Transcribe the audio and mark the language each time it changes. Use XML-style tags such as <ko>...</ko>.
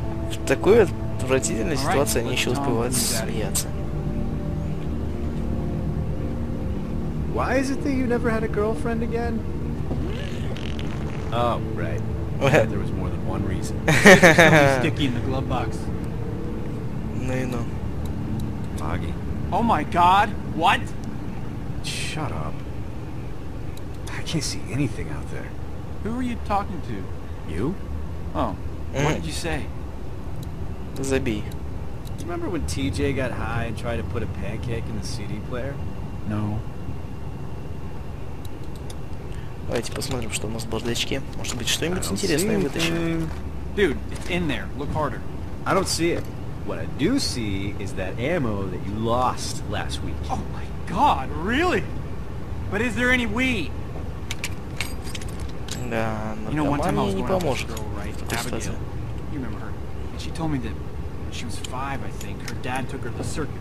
<ru>В такой отвратительной ситуации они еще успевают смеяться.</ru> <en>Why is it that you never had a girlfriend again? Oh, right. There was more than one reason. Sticky in the glove box. No, you know. Foggy. Oh my god, what? Shut up. I can't see anything out there. Who are you talking to? You? Oh, what did you say? Zabi. Remember when TJ got high and tried to put a pancake in the CD player? No.</en> <ru>Давайте посмотрим, что у нас в бардачке. Может быть, что-нибудь интересное вытащим.</ru> <en>Dude, it's in there. Look harder. I don't see it. What I do see is that ammo that you lost last week. Oh my god, really? But is there any weed?</en> <ru>Да,</ru> <en>you know, one time I was going out with a girl, right? Abigail. You remember her. And she told me that when she was 5, I think, her dad took her to the circuit.</en>